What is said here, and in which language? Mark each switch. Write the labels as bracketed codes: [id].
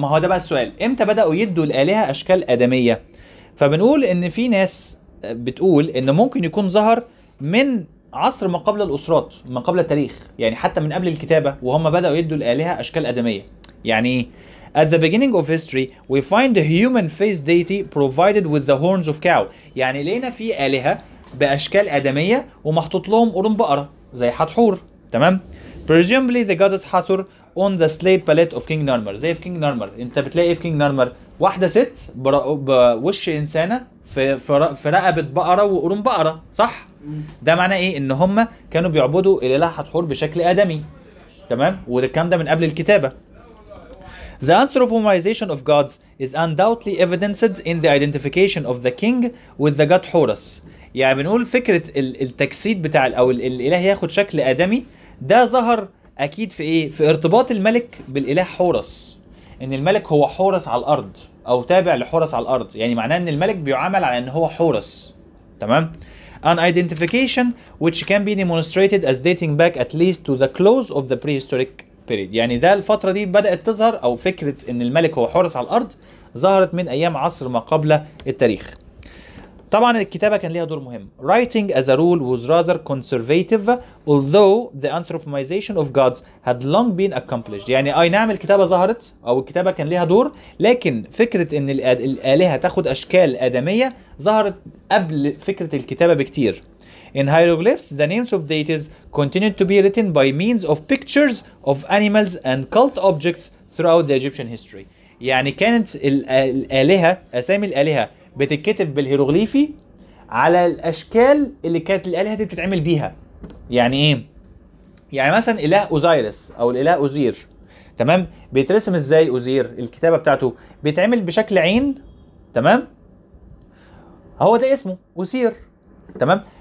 [ar] ما هو ده بقى السؤال، امتى بدأوا يدوا الالهة اشكال ادمية؟ فبنقول ان في ناس بتقول ان ممكن يكون ظهر من عصر ما قبل الأسرات، ما قبل التاريخ، يعني حتى من قبل الكتابة وهم بدأوا يدوا الآلهة أشكال أدمية. [en] يعني at the beginning of history we find a human face deity provided with the horns of cow. [ar] يعني لقينا في آلهة بأشكال أدمية ومحطوط لهم قرون بقرة زي حتحور تمام. [en] presumably the goddess Hathor on the slate palette of King Narmer. [ar] زي في King Narmer انت بتلاقي في King Narmer واحدة ست بوش إنسانة في رقبة بقرة وقرون بقرة، صح؟ ده معناه ايه؟ ان هم كانوا بيعبدوا الاله حتحور بشكل ادمي تمام، وده كان ده من قبل الكتابه. [en] The anthropomorphization of gods is undoubtedly evidenced in the identification of the king with the god Horus. [ar] يعني بنقول فكره التجسيد بتاع او الاله ياخد شكل ادمي ده ظهر اكيد في ايه؟ في ارتباط الملك بالاله حورس، ان الملك هو حورس على الارض او تابع لحورس على الارض، يعني معناه ان الملك بيعامل على ان هو حورس تمام. [en] An identification which can be demonstrated as dating back at least to the close of the prehistoric period. [ar] يعني ذا الفترة دي بدأت تظهر أو فكرة إن الملك هو حورس على الأرض ظهرت من أيام عصر ما قبل التاريخ. طبعا الكتابة كان ليها دور مهم. [en] Writing as a rule was rather conservative although the anthropomorphization of gods had long been accomplished. [ar] يعني أي نعم الكتابة ظهرت أو الكتابة كان ليها دور، لكن فكرة إن الآلهة تاخد أشكال آدمية ظهرت قبل فكرة الكتابة بكتير. [en] In hieroglyphs the names of deities continued to be written by means of pictures of animals and cult objects throughout the Egyptian history. [ar] يعني كانت الآلهة أسامي الآلهة بتتكتب بالهيروغليفي على الاشكال اللي كانت الالهة دي بتتعمل بيها. يعني ايه؟ يعني مثلا اله اوزايرس او الاله اوزير تمام، بيترسم ازاي اوزير؟ الكتابة بتاعته بيتعمل بشكل عين تمام، هو ده اسمه اوزير تمام.